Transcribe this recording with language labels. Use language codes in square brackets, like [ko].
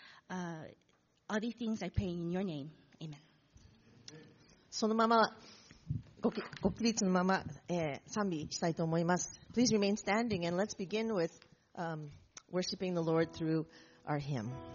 [en] All these things I pray in your name. Amen. [ja] そのままご起立のまま、賛美したいと思います。 [en] Please remain standing and let's begin with worshiping the Lord through our hymn.